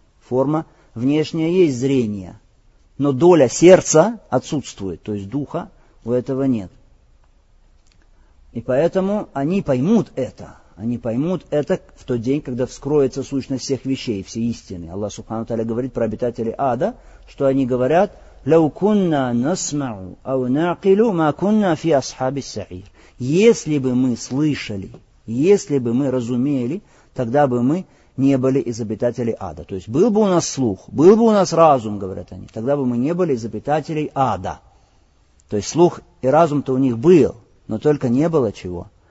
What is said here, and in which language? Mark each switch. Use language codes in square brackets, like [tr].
[ru] Форма внешняя есть зрение. Но доля сердца отсутствует, то есть духа у этого нет. И поэтому они поймут это. Они поймут это в тот день, когда вскроется сущность всех вещей, все истины. Аллах Субхану Тааля говорит про обитателей ада, что они говорят: [ar] لو كنا نسمع أو نعقل ما كنا في أصحاب السعير. [ru] Если бы мы слышали, если бы мы разумели, тогда бы мы не были из обитателей ада. То есть был бы у нас слух, был бы у нас разум, говорят они, тогда бы мы не были из обитателей ада. То есть слух и разум-то у них был, но только не было чего.